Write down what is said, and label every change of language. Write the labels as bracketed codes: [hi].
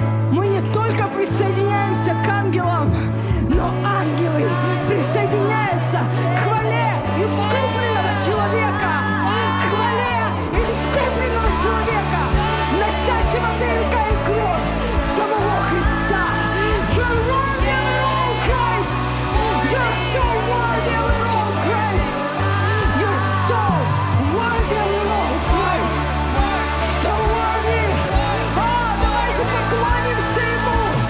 [ru] Мы не только присоединяемся к ангелам, но ангелы присоединяются к хвале искупленного человека, к хвале искупленного человека, носящего ДНК и кровь самого Христа. [en] You're worthy of it all, Christ. You're so worthy of it all, Christ. You're so worthy of it all, Christ. So worthy. [ru] О, давайте поклонимся Ему.